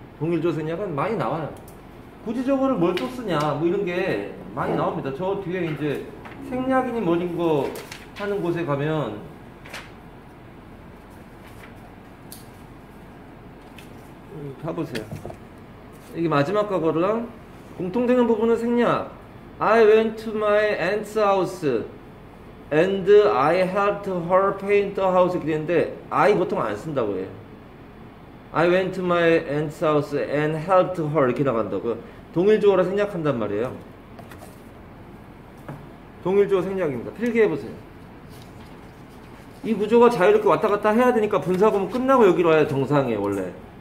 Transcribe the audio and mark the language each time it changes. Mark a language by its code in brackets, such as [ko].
[ko] 동일 주어 생략은 많이 나와요. 구체적으로 뭘 또 쓰냐 뭐 이런 게 많이 나옵니다. 저 뒤에 이제 생략이니 뭐인 거 하는 곳에 가면 봐보세요. 이게 마지막 과거랑 공통되는 부분은 생략. [en] I went to my aunt's house and I helped her paint the house. [ko] 이렇게 되는데 I 보통 안 쓴다고 해요. [en] I went to my aunt's house and helped her [ko] 이렇게 나간다고. 동일주어라 생략한단 말이에요. 동일주어 생략입니다. 필기해보세요. 이 구조가 자유롭게 왔다갔다 해야 되니까 분사구문 끝나고 여기로 와야 정상이에요. 원래